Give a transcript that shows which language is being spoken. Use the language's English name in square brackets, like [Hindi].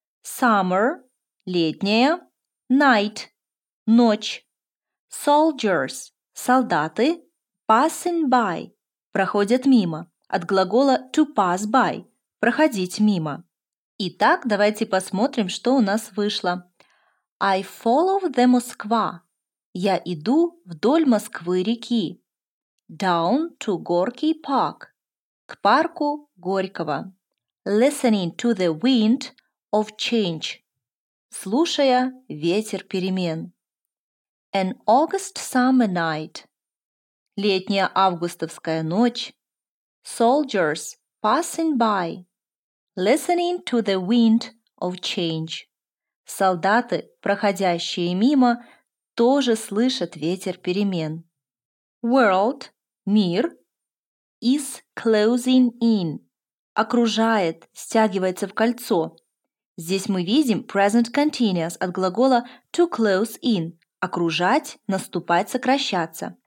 [Russian] Summer – летняя. Night – ночь. Soldiers – солдаты. Passing by – проходят мимо. От глагола to pass by – проходить мимо. Итак, давайте посмотрим, что у нас вышло. [English] I follow the Москва. [Russian] Я иду вдоль Москвы-реки. [English] Down to Gorky Park. [Russian] К парку Горького. [English] Listening to the wind of change. [Russian] Слушая ветер перемен. [English] An August summer night. [Russian] Летняя августовская ночь. [English] Soldiers passing by, listening to the wind of change. [Russian] Солдаты, проходящие мимо, тоже слышат ветер перемен. World – мир. Is closing in – окружает, стягивается в кольцо. Здесь мы видим present continuous от глагола to close in – окружать, наступать, сокращаться.